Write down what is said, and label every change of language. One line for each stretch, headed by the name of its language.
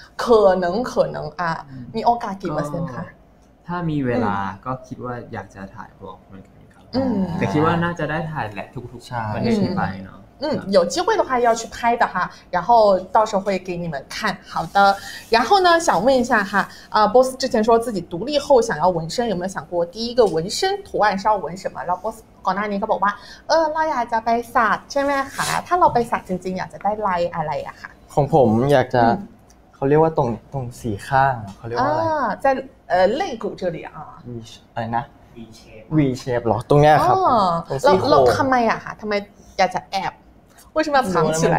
Thai: เคยหนึ่งมีโอกาสกี่เปอร์เซ็นต์คะ ถ้ามีเวลาก็คิดว่าอยากจะถ่ายบล็อกเหมือนกันครับแต่คิดว่าน่าจะได้ถ่ายแหละทุกๆ ชา ติที่ไปเนาะ
Chinese: 有机会的话要去拍的哈，然后到时候会给你们看。好的，然后呢，想问一下哈，Boss 之前说自己独立后想要纹身，有没有想过第一个纹身图案是要纹什么？然后 Boss 广大尼克宝妈，
Thai: เราอยากจะไปสักใช่ไหมคะ？ ถ้าเราไปสักจริงๆอยากจะได้ลายอะไรอะคะ？ ของผมอยากจะเขาเรียกว่าตรงสี่ข้างเขาเรียกว่าอะไร？
Chinese: 在肋骨这里啊。哎呐。
Thai: V shape หรอตรงเนี้ยครับ เราทำไมอะคะทำไมอยากจะแอบ
Chinese: 为什么要藏起来？